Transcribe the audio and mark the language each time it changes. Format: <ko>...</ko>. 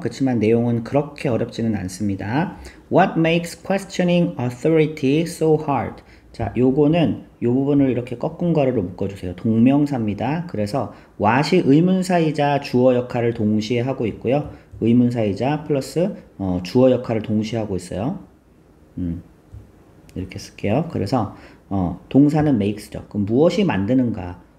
<ko>그렇지만 내용은 그렇게 어렵지는 않습니다.</ko> <en>What makes questioning authority so hard?</en> <ko>자, 요거는 요 부분을 이렇게 꺾은 거를 묶어주세요. 동명사입니다. 그래서 what이 의문사이자 주어 역할을 동시에 하고 있고요. 의문사이자 플러스 주어 역할을 동시에 하고 있어요. 이렇게 쓸게요. 그래서 동사는 makes죠. 그럼 무엇이 만드는가?</ko>